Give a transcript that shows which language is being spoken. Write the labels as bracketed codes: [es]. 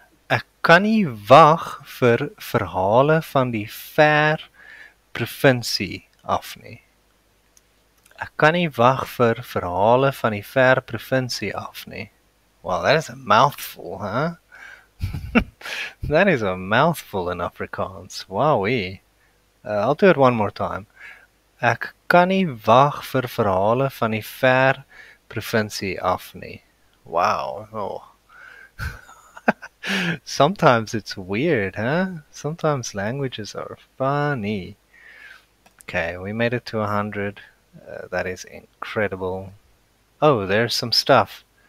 [af] Ek kan nie wag vir verhale van die ver provinsie af nie. Ek kan nie wag vir verhale van die ver provinsie af nie. [en] Well, that is a mouthful, huh? That is a mouthful in Afrikaans. Wowie. I'll do it one more time. [af] Ek kan nie wag vir verhale van die ver provinsie af nie. [en] Wow. Oh. Sometimes it's weird, huh? Sometimes languages are funny. Okay, we made it to 100. That is incredible. Oh, there's some stuff.